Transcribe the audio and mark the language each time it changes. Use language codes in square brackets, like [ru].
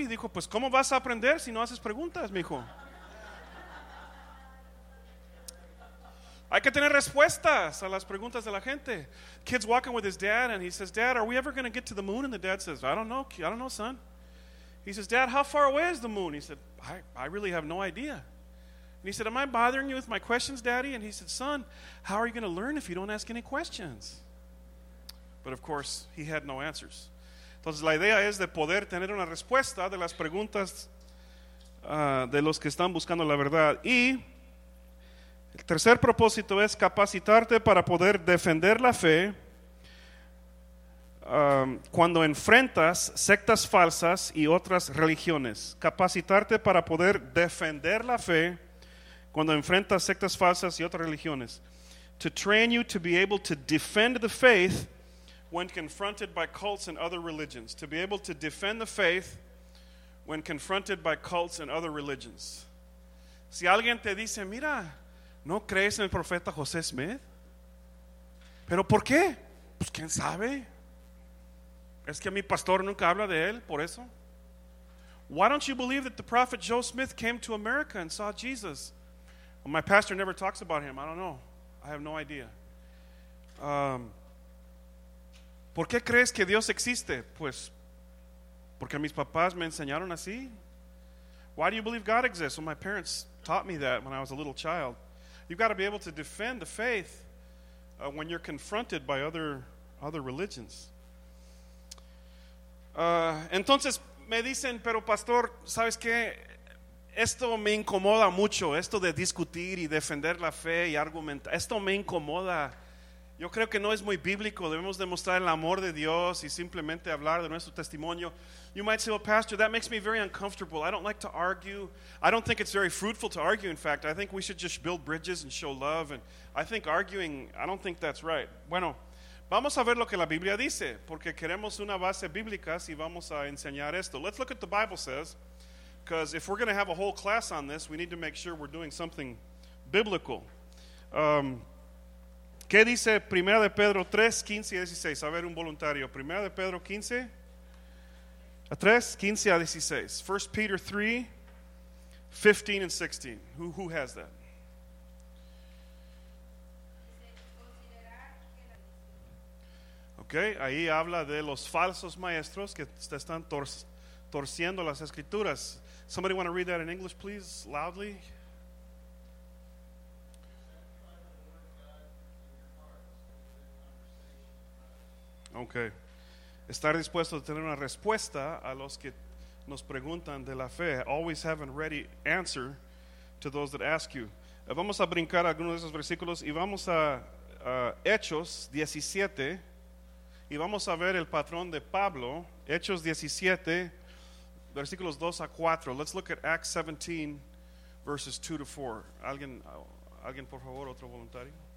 [es] Y dijo, pues, ¿cómo vas a aprender si no haces preguntas, mijo? Hay que tener respuestas a las preguntas de la gente. [en] Kid's walking with his dad and he says, Dad, are we ever going to get to the moon? And the dad says, I don't know, son. He says, Dad, how far away is the moon? He said, I really have no idea. And he said, am I bothering you with my questions, Daddy? And he said, son, how are you going to learn if you don't ask any questions? But of course, he had no answers. [es] Entonces, la idea es de poder tener una respuesta de las preguntas de los que están buscando la verdad. Y el tercer propósito es capacitarte para poder defender la fe cuando enfrentas sectas falsas y otras religiones. Capacitarte para poder defender la fe cuando enfrentas sectas falsas y otras religiones. [en] To train you to be able to defend the faith when confronted by cults and other religions. To be able to defend the faith when confronted by cults and other religions. [es] Si alguien te dice, mira, ¿no crees en el profeta José Smith? ¿Pero por qué? Pues quién sabe. Es que mi pastor nunca habla de él, por eso. [en] Why don't you believe that the prophet Joe Smith came to America and saw Jesus? Well, my pastor never talks about him. I don't know. I have no idea. [es] ¿Por qué crees que Dios existe? Pues, porque mis papás me enseñaron así. [en] Why do you believe God exists? Well, my parents taught me that when I was a little child. You've got to be able to defend the faith when you're confronted by other religions. [es] Entonces, me dicen, pero pastor, ¿sabes qué? Esto me incomoda mucho, esto de discutir y defender la fe y argumentar. Esto me incomoda. Yo creo que no es muy bíblico. Debemos demostrar el amor de Dios y simplemente hablar de nuestro testimonio. [en] You might say, well, pastor, that makes me very uncomfortable. I don't like to argue. I don't think it's very fruitful to argue, in fact. I think we should just build bridges and show love. And I think arguing, I don't think that's right. [es] Bueno, vamos a ver lo que la Biblia dice, porque queremos una base bíblica si vamos a enseñar esto. [en] Let's look at what the Bible says, because if we're going to have a whole class on this, we need to make sure we're doing something biblical. [es] ¿Qué dice 1 de Pedro 3, 15 y 16? A ver, un voluntario. 1 de Pedro 15, a 3, 15 a 16. [en] 1 Peter 3, 15 and 16. Who has that? [es] Okay, ahí habla de los falsos maestros que están torciendo las escrituras. [en] Somebody want to read that in English, please, loudly? Okay. [es] Estar dispuesto a tener una respuesta a los que nos preguntan de la fe. [en] Always have a ready answer to those that ask you. [es] Vamos a brincar algunos de esos versículos y vamos a Hechos 17 y vamos a ver el patrón de Pablo. Hechos 17, versículos 2 a 4. [en] Let's look at Acts 17, verses 2 to 4. [es] ¿Alguien por favor, otro voluntario?